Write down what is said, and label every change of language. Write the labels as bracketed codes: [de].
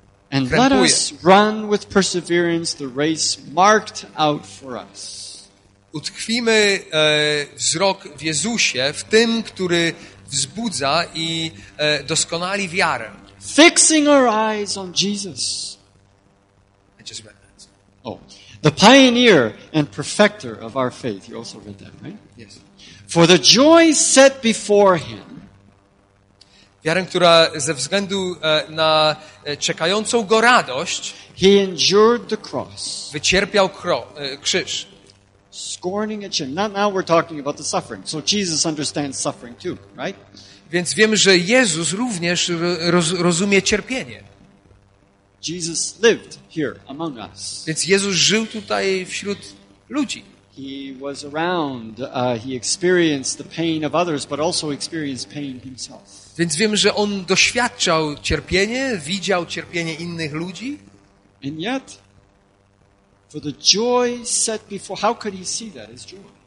[en] And let us run with perseverance the race marked out for us. [pl] Utkwimy wzrok w Jezusie, w tym, który wzbudza i doskonali wiarę. [en] Fixing our eyes on Jesus. I just read that. Oh, the pioneer and perfecter of our faith. You also read that, right? Yes. For the joy set before him. [pl] Wiarę, która ze względu na czekającą go radość. [en] He endured the cross. [pl] Wycierpiał krzyż. [en] Scorning its shame. Now we're talking about the suffering. So Jesus understands suffering too, right? [pl] Więc wiemy, że Jezus również rozumie cierpienie. [en] Jesus lived here among us. [pl] Więc Jezus żył tutaj wśród ludzi. [en] He was around, he experienced the pain of others, but also experienced pain himself. [pl] Więc wiemy, że on doświadczał cierpienie, widział cierpienie innych ludzi. [en] And yet, for the joy set before, how could he see that as joy?